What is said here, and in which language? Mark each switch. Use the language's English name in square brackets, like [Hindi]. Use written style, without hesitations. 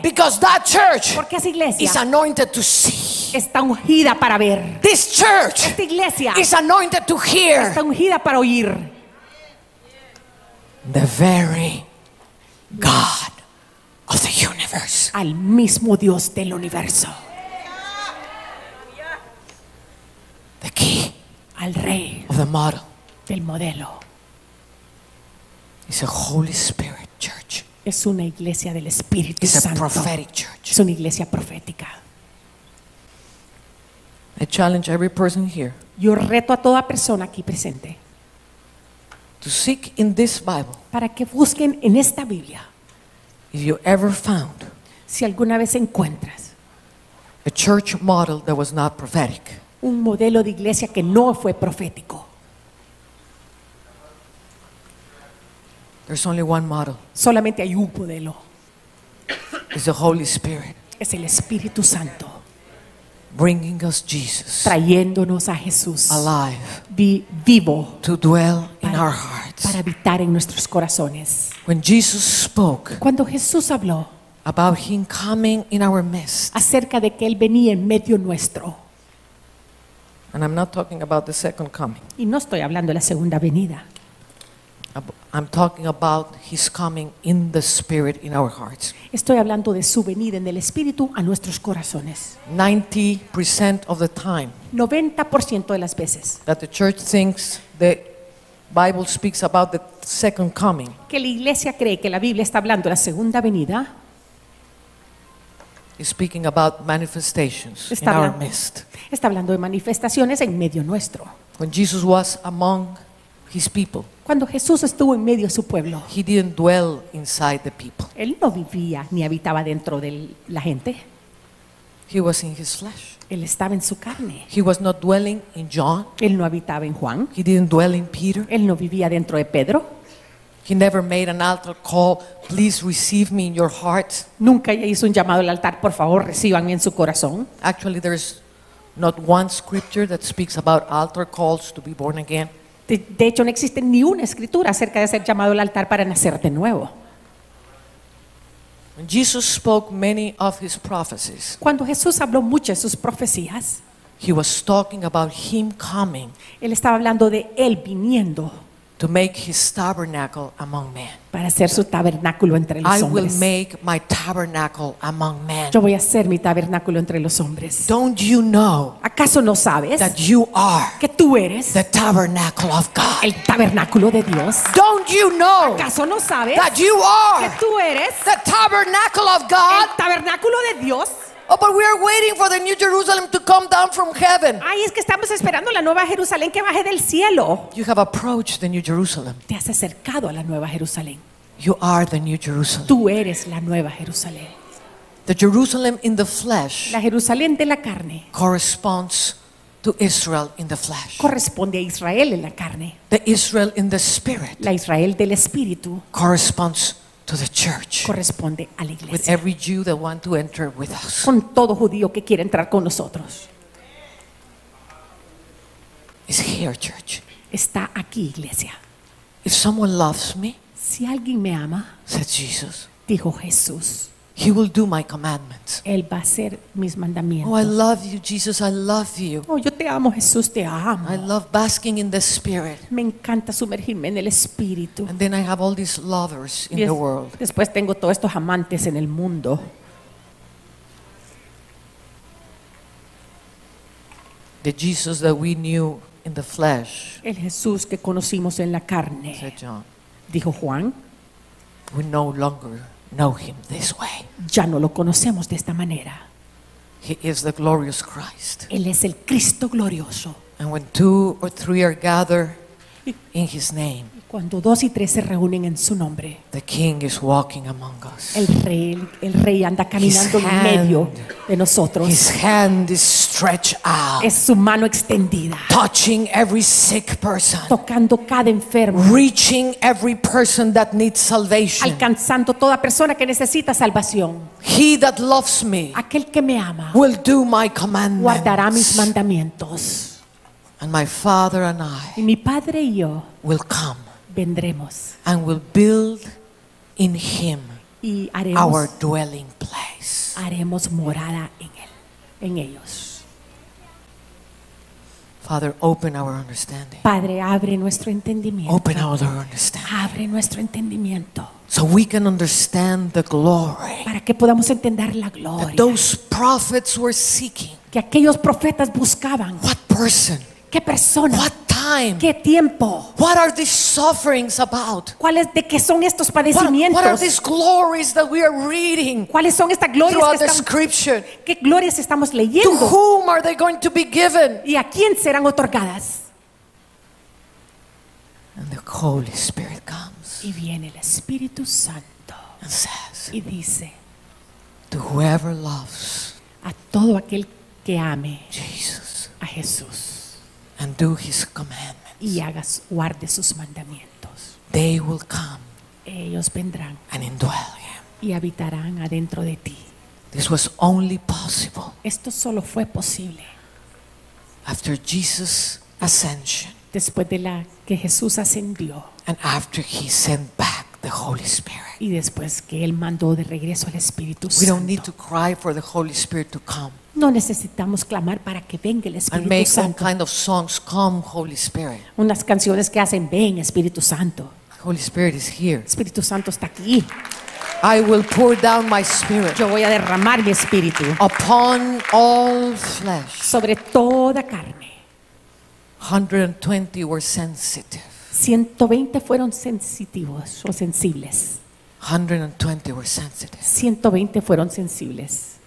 [English] Because that church [Spanish] esa iglesia [English] is anointed to see. [Spanish] Está ungida para ver. [English] This church [Spanish] esta iglesia [English] is anointed to hear. [Spanish] Está ungida para oír. [English] The very God of the universe. [Spanish] Al mismo Dios del universo. [English] The key [Spanish] al rey [English] of the model [Spanish] del modelo [English] is a Holy Spirit church. [Spanish] Es una iglesia del Espíritu Santo. Es una iglesia profética. [English] I challenge every person here. [Spanish] Yo reto a toda persona aquí presente. [English] To seek in this Bible. [Spanish] Para que busquen en esta Biblia. [English] If you ever found. [Spanish] Si alguna vez encuentras. [English] A church model that was not prophetic. [Spanish] Un modelo de iglesia que no fue profético. [English] There's only one model. [Spanish] Solamente hay un modelo. [English] It's the Holy Spirit. [Spanish] Es el Espíritu Santo. [English] Bringing us Jesus. [Spanish] Trayéndonos a Jesús. [English] Alive. [Spanish] Vivo. [English] To dwell in our hearts. [Spanish] Para habitar en nuestros corazones. [English] When Jesus spoke. [Spanish] Cuando Jesús habló. [English] About him coming in our midst. [Spanish] Acerca de que él venía en medio nuestro. [English] And I'm not talking about the second coming. [Spanish] Y no estoy hablando de la segunda venida. [English] I'm talking about his coming in the spirit in our hearts. [Spanish] Estoy hablando de su venida en el espíritu a nuestros corazones. [English] 90% of the time. [Spanish] 90% de las veces. [English] That the church thinks the Bible speaks about the second coming. [Spanish] Que la iglesia cree que la Biblia está hablando de la segunda venida. [English] Is speaking about manifestations [Spanish] está hablando, [English] in our midst. [Spanish] Está hablando de manifestaciones en medio nuestro. [English] When Jesus was among his people. [Spanish] Cuando Jesús estuvo en medio de su pueblo, [English] he didn't dwell inside the people. [Spanish] Él no vivía ni habitaba dentro de la gente. [English] He was in his flesh. [Spanish] Él estaba en su carne. [English] He was not dwelling in John. [Spanish] Él no habitaba en Juan. [English] He didn't dwell in Peter. [Spanish] Él no vivía dentro de Pedro. [English] He never made an altar call, please receive me in your heart. [Spanish] Nunca hizo un llamado al altar, por favor, recíbanme en su corazón. [English] Actually, there's not one scripture that speaks about altar calls to be born again. [Spanish] De hecho, no existe ni una escritura acerca de ser llamado al altar para nacer de nuevo. [English] When Jesus spoke many of his prophecies, [Spanish] cuando Jesús habló muchas de sus profecías, [English] he was talking about him coming. [Spanish] Él estaba hablando de él viniendo. [English] To make his tabernacle among men. [Spanish] Para hacer su tabernáculo entre los hombres. [English] I will make my tabernacle among men. [Spanish] Yo voy a hacer mi tabernáculo entre los hombres. [English] Don't you know? [Spanish] ¿Acaso no sabes? [English] That you are. [Spanish] Que tú eres. [English] The tabernacle of God. [Spanish] El tabernáculo de Dios. [English] Don't you know? [Spanish] ¿Acaso no sabes? [English] That you are. [Spanish] Que tú eres. [English] The tabernacle of God. [Spanish] El tabernáculo de Dios. [English] Oh, but we are waiting for the New Jerusalem to come down from heaven. [Spanish] Ay, es que estamos esperando la nueva Jerusalén que baje del cielo. [English] You have approached the New Jerusalem. [Spanish] Te has acercado a la nueva Jerusalén. [English] You are the New Jerusalem. [Spanish] Tú eres la nueva Jerusalén. [English] The Jerusalem in the flesh. [Spanish] La Jerusalén de la carne. [English] Corresponds to Israel in the flesh. [Spanish] Corresponde a Israel en la carne. [English] The Israel in the spirit. [Spanish] La Israel del espíritu. [English] Corresponds to the church. [Spanish] Corresponde a la iglesia. [English] With every Jew that want to enter with us. [Spanish] Con todo judío que quiere entrar con nosotros. [English] It's here, church. [Spanish] Está aquí, iglesia. [English] If someone loves me, [Spanish] si alguien me ama, [English] said Jesus, [Spanish] dijo Jesús, [English] he will do my commandments. [Spanish] Él va a hacer mis mandamientos. [English] Oh, I love you, Jesus. I love you. [Spanish] Oh, yo te amo, Jesús. Te amo. [English] I love basking in the Spirit. [Spanish] Me encanta sumergirme en el Espíritu. [English] And then I have all these lovers in the world. [Spanish] Después tengo todos estos amantes en el mundo. [English] The Jesus that we knew in the flesh. [Spanish] El Jesús que conocimos en la carne. [English] Said John. [Spanish] Dijo Juan. [English] We no longer know him this way. [Spanish] Ya no lo conocemos de esta manera. [English] He is the glorious Christ. [Spanish] Él es el Cristo glorioso. [English] And when two or three are gathered in his name. [Spanish] Cuando dos y tres se reúnen en su nombre. [English] The king is walking among us. [Spanish] El rey anda caminando en medio de nosotros. [English] His hand is stretched out. [Spanish] Es su mano extendida. [English] Touching every sick person. [Spanish] Tocando cada enfermo. [English] Reaching every person that needs salvation. [Spanish] Alcanzando toda persona que necesita salvación. [English] He that loves me. [Spanish] Aquel que me ama. [English] Will do my commandments. [Spanish] Guardará mis mandamientos. [English] And my father and I. [Spanish] Y mi padre y yo. [English] Will come. [Spanish] Vendremos. [English] And we'll build in him. [Spanish] Y haremos [English] our dwelling place. [Spanish] Haremos morada en él, en ellos. [English] Father, open our understanding. [Spanish] Padre, abre nuestro entendimiento. [English] Open our understanding. [Spanish] Abre nuestro entendimiento. [English] So we can understand the glory. [Spanish] Para que podamos entender la gloria. [English] That those prophets were seeking. [Spanish] Que aquellos profetas buscaban. [English] What person? [Spanish] ¿Qué persona? [English] What time? [Spanish] ¿Qué tiempo? [English] What are these sufferings about? [Spanish] ¿Cuáles de qué son estos padecimientos? [English] What are these glories that we are reading? [Spanish] ¿Cuáles son estas glorias que estamos [English] scripture? [Spanish] ¿Qué glorias estamos leyendo? [English] To whom are they going to be given? [Spanish] ¿Y a quién serán otorgadas? [English] And the Holy Spirit comes. [Spanish] Y viene el Espíritu Santo. [English] And says. [Spanish] Y dice. [English] To whoever loves. [Spanish] A todo aquel que ame. [English] Jesus. [Spanish] A Jesús. [English] And do his commandments. [Spanish] Y hagas guarde sus mandamientos. [English] They will come. [Spanish] Ellos vendrán. [English] And indwell him. [Spanish] Y habitarán adentro de ti. [English] This was only possible. [Spanish] Esto solo fue posible. [English] After Jesus' ascension. [Spanish] Después de la que Jesús ascendió. [English] And after he sent back the Holy Spirit. [Spanish] Y después que él mandó de regreso al Espíritu Santo. [English] We don't need to cry for the Holy Spirit to come. [Spanish] No necesitamos clamar para que venga el Espíritu [English] and make [Spanish] Santo. [English] Some kind of songs, come Holy Spirit. [Spanish] Unas canciones que hacen ven Espíritu Santo. [English] Holy Spirit is here. [Spanish] Espíritu Santo está aquí. [English] I will pour down my spirit. [Spanish] Yo voy a derramar mi espíritu. [English] Upon all flesh. [Spanish] Sobre toda carne. [English] 120 were sensitive. [Spanish] 120 fueron sensitivos o sensibles. [English] 120 were sensitive. [Spanish] 120 fueron sensibles.